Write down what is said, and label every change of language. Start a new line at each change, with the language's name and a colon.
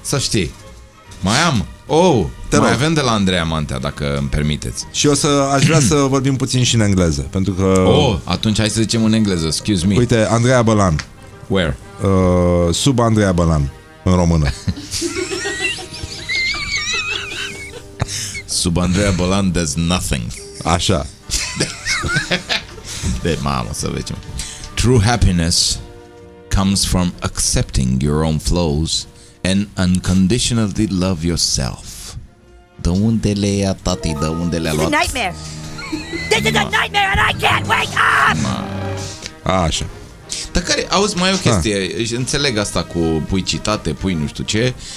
Romanian: Să știi. Mai am. Oh, te mai rog. Avem de la Andreea Mantea, dacă îmi permiteți. Și aș vrea să vorbim puțin și în engleză, pentru că... Oh, atunci hai să zicem în engleză,
English: excuse me.
Romanian: Uite, Andreea Bălan.
English: Where?
Romanian: Sub Andreea Bălan, în română.
English: sub Andreea Bălan, there's nothing.
Romanian: Așa. De mamă, să vedem.
English: True happiness comes from accepting your own flaws and unconditionally love yourself.
Romanian: De unde le-ai luat, tati? De unde le-ai luat?
English: It's a nightmare. This is a nightmare and I can't wake up!
Romanian: Așa. Dar care, auzi, mai o chestie, înțeleg asta cu pui citate, pui nu știu ce.